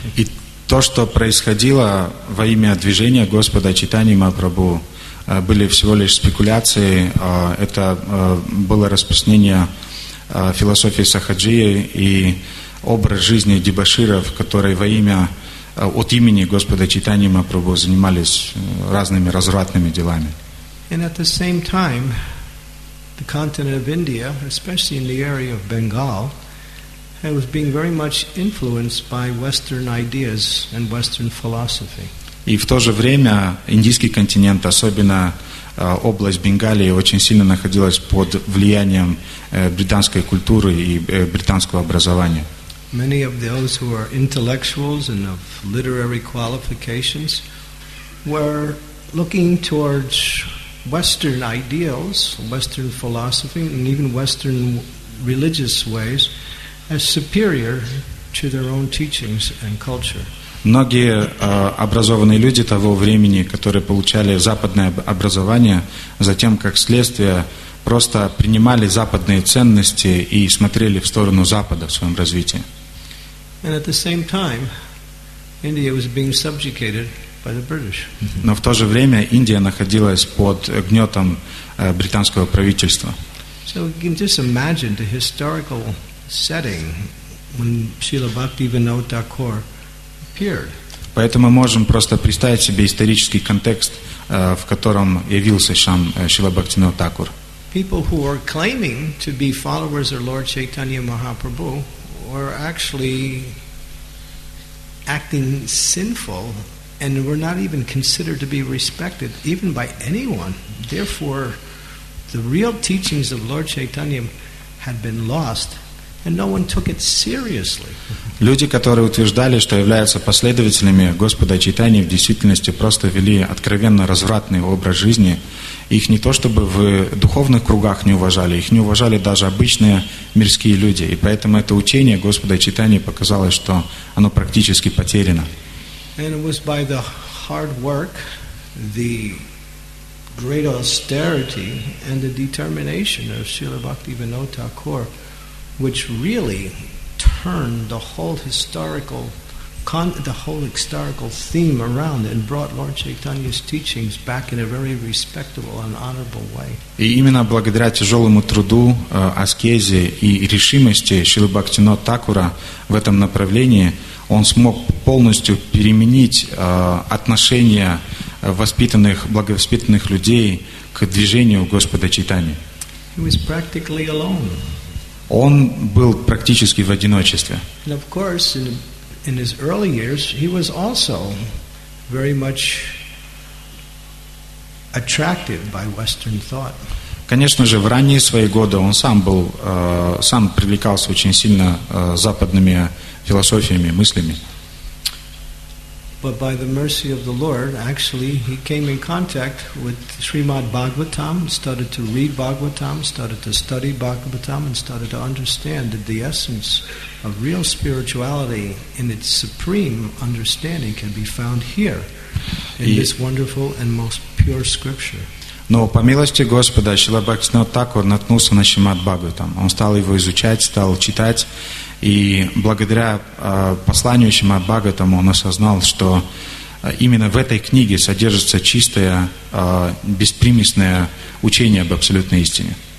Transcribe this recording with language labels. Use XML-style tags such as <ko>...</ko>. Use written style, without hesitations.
<ru>И то, что происходило во имя движения Господа Чайтаньи Махапрабху, были всего лишь спекуляции. Это было распространение философии сахаджии и образ жизни дебоширов, которые во имя от имени Господа Чайтаньи Махапрабху занимались разными развратными делами.</ru> <en>And at the same time, the continent of India, especially in the area of Bengal, was being very much influenced by Western ideas and Western philosophy.</en> <ru>И в то же время индийский континент, особенно область Бенгалии, очень сильно находилась под влиянием британской культуры и британского образования.</ru> <en>Many of those who are intellectuals and of literary qualifications were looking towards Western ideals, Western philosophy, and even Western religious ways as superior to their own teachings and culture.</en> <ru>Многие образованные люди того времени, которые получали западное образование, затем как следствие просто принимали западные ценности и смотрели в сторону Запада в своем развитии.</ru> <en>And at the same time, India was being subjugated by the British.</en> <ru>Но в то же время Индия находилась под гнетом британского правительства.</ru> <en>So you can just imagine the historical setting when Srila Bhaktivinoda Thakur appeared.</en> <ru>Поэтому мы можем просто представить себе исторический контекст, в котором явился сам Шрила Бхактивинода Такур.</ru> <en>People who are claiming to be followers of Lord Chaitanya Mahaprabhu were actually acting sinful and were not even considered to be respected even by anyone. Therefore, the real teachings of Lord Chaitanya had been lost and no one took it seriously.</en> <ru>Люди, которые утверждали, что являются последователями Господа Чайтаньи, в действительности просто вели откровенно развратный образ жизни. Их не то чтобы в духовных кругах не уважали, их не уважали даже обычные мирские люди. И поэтому это учение Господа Чайтаньи показалось, что оно практически потеряно.</ru> <en>And it was by the hard work, the great austerity and the determination of Srila Bhaktivinoda Thakur, which really turned the whole historical theme around and brought Lord Chaitanya's teachings back in a very respectable and honorable way.</en> <ru>И именно благодаря тяжелому труду, аскезе и решимости Шрилы Бхактивинода Такура в этом направлении, он смог полностью переменить отношение благовоспитанных людей к движению Господа Чайтаньи.</ru> <en>He was practically alone.</en> <ru>Он был практически в одиночестве.</ru> <en>And of course, in his early years, he was also very much attracted by Western thought.</en> <ru>Конечно же, в ранние свои годы он сам был, сам привлекался очень сильно западными философиями, мыслями.</ru> <en>But by the mercy of the Lord, actually, he came in contact with Srimad Bhagavatam, started to read Bhagavatam, started to study Bhagavatam, and started to understand that the essence of real spirituality in its supreme understanding can be found here, in this wonderful and most pure. pure scripture.</en> <ru>Но по милости Господа Шрила Бхактисиддханта Тхакур наткнулся на Шримад Бхагаватам. Он стал его изучать, стал читать, и благодаря посланию Шримад Бхагаватам он осознал, что именно в этой книге содержится чистое, беспримесное учение об абсолютной истине.</ru>